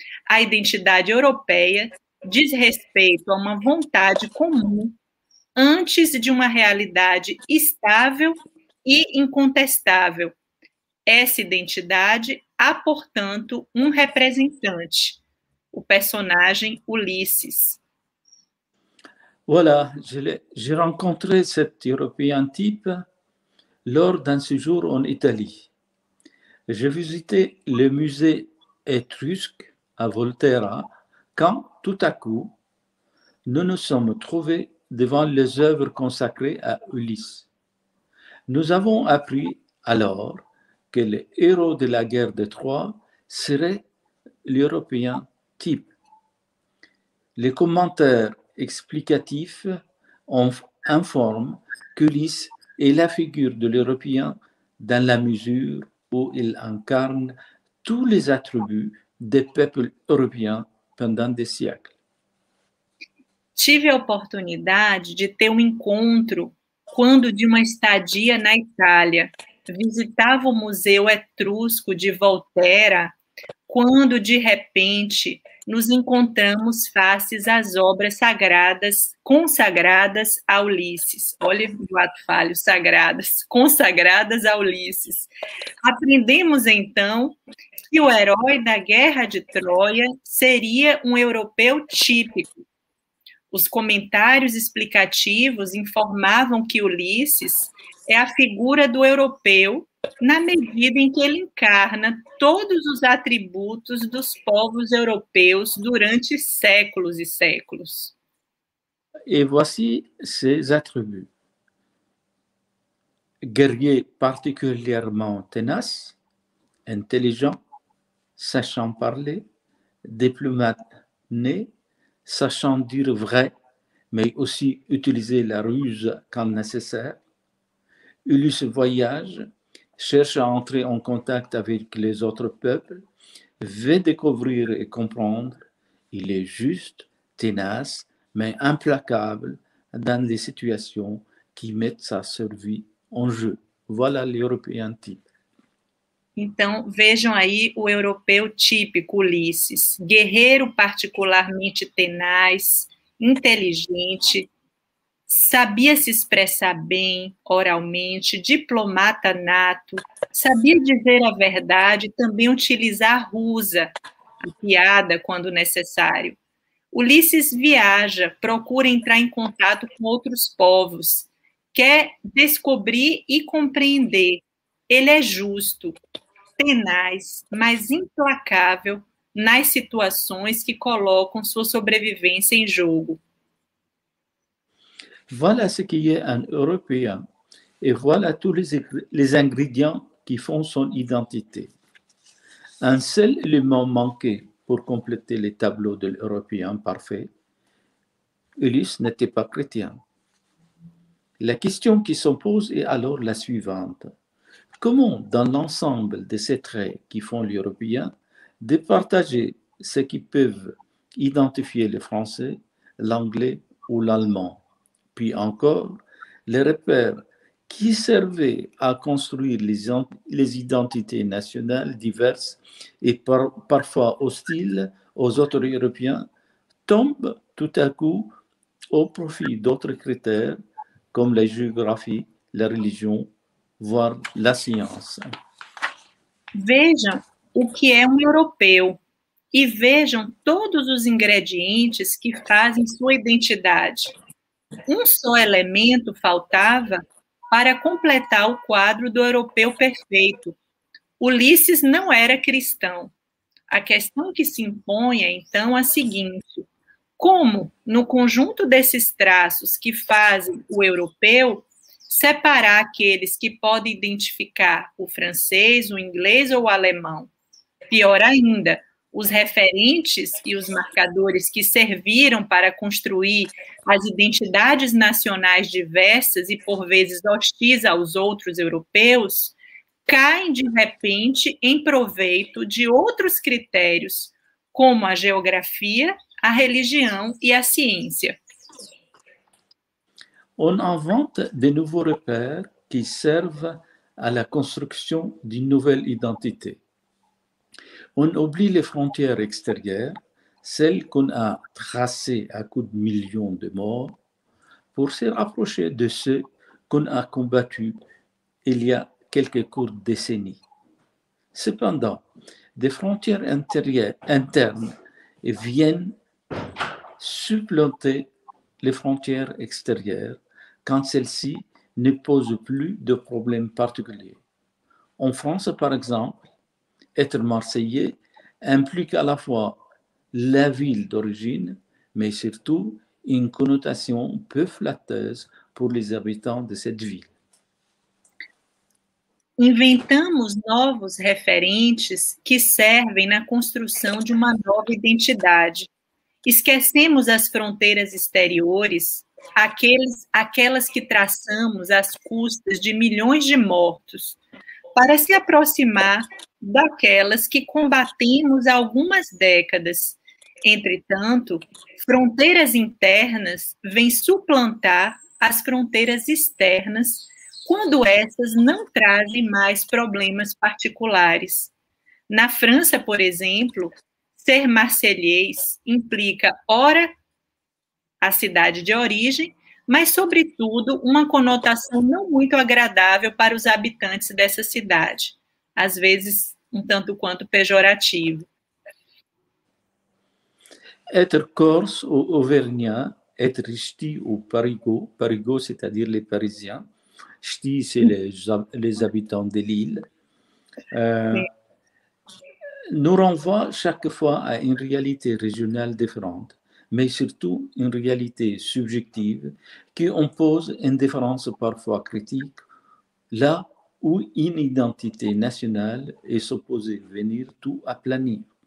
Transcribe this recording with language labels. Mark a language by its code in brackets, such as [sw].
[pt] A identidade europeia diz respeito a uma vontade comum antes de uma realidade estável e incontestável. Essa identidade há, portanto, um representante, o personagem Ulysses. [fr] Voilà, j'ai rencontré cet Européen type lors d'un séjour en Italie. J'ai visité le musée étrusque à Volterra quand, tout à coup, nous nous sommes trouvés devant les œuvres consacrées à Ulysse. Nous avons appris alors que le héros de la guerre de Troie serait l'Européen type. Les commentaires explicatifs informent qu'Ulysse est la figure de l'Européen dans la mesure où il incarne tous les attributs des peuples européens pendant des siècles. [pt] Tive a oportunidade de ter um encontro quando, de uma estadia na Itália, visitava o Museu Etrusco de Volterra, quando, de repente, nos encontramos faces às obras sagradas, consagradas a Ulysses. Olha o ato falho, sagradas, consagradas a Ulysses. Aprendemos, então, que o herói da Guerra de Troia seria um europeu típico. Os comentários explicativos informavam que Ulysses é a figura do europeu na medida em que ele encarna todos os atributos dos povos europeus durante séculos e séculos. [fr] Et voici ses attributs. Guerrier particulièrement tenace, intelligent, sachant parler, diplomate né, sachant dire vrai, mais aussi utiliser la ruse quand nécessaire. Ulysse voyage, cherche à entrer en contact avec les autres peuples, veut découvrir et comprendre. Il est juste, tenace, mais implacable dans les situations qui mettent sa survie en jeu. Voilà l'Européen type. [pt] Então, vejam aí o europeu típico, Ulysses. Guerreiro particularmente tenaz, inteligente, sabia se expressar bem oralmente, diplomata nato, sabia dizer a verdade e também utilizar a rusa, a piada, quando necessário. Ulysses viaja, procura entrar em contato com outros povos, quer descobrir e compreender. Ele é justo, tenaz, mas implacável nas situações que colocam sua sobrevivência em jogo. [fr] Voilà ce qui est un Européen et voilà tous les ingrédients qui font son identité. Un seul élément manquait pour compléter le tableau de l'Européen parfait. Ulysse n'était pas chrétien. La question qui s'impose est alors la suivante. Comment, dans l'ensemble de ces traits qui font l'Européen, départager ceux qui peuvent identifier le français, l'anglais ou l'allemand? Puis encore, les repères qui servaient à construire les identités nationales diverses et parfois hostiles aux autres Européens tombent tout à coup au profit d'autres critères comme la géographie, la religion, voire la science. [pt] Vejam o que é [fr] Européen et [pt] vejam todos os ingredientes [fr] qui [pt] fazem sua identidade. Um só elemento faltava para completar o quadro do europeu perfeito. Ulysses não era cristão. A questão que se impõe é, então, a seguinte. como, no conjunto desses traços que fazem o europeu, separar aqueles que podem identificar o francês, o inglês ou o alemão? Pior ainda, os referentes e os marcadores que serviram para construir as identidades nacionais diversas e, por vezes, hostis aos outros europeus, caem de repente em proveito de outros critérios, como a geografia, a religião e a ciência. [fr] On invente de nouveaux repères qui servent à la construction d'une nouvelle identité. On oublie les frontières extérieures, celles qu'on a tracées à coups de millions de morts, pour se rapprocher de ceux qu'on a combattus il y a quelques courtes décennies. Cependant, des frontières internes viennent supplanter les frontières extérieures quand celles-ci ne posent plus de problèmes particuliers. En France, par exemple, être Marseillais implique à la fois la ville d'origine, mais surtout une connotation peu flatteuse pour les habitants de cette ville. [pt] Inventamos novos referentes que servem na construção de uma nova identidade. Esquecemos as fronteiras exteriores, aquelas que traçamos às custas de milhões de mortos, para se aproximar daquelas que combatemos há algumas décadas. Entretanto, fronteiras internas vêm suplantar as fronteiras externas quando essas não trazem mais problemas particulares. Na França, por exemplo, ser marselhês implica, ora, a cidade de origem, mas, sobretudo, uma conotação não muito agradável para os habitantes dessa cidade, às vezes um tanto quanto pejorativo. [fr] Être corse ou auvergnat, être ch'ti ou parigot, parigot, c'est-à-dire les parisiens, ch'ti, c'est les habitants de l'île, nous renvoie chaque fois à une réalité régionale différente, mais surtout une réalité subjective qui impose une différence parfois critique, là où une identité nationale est supposée venir tout aplanir.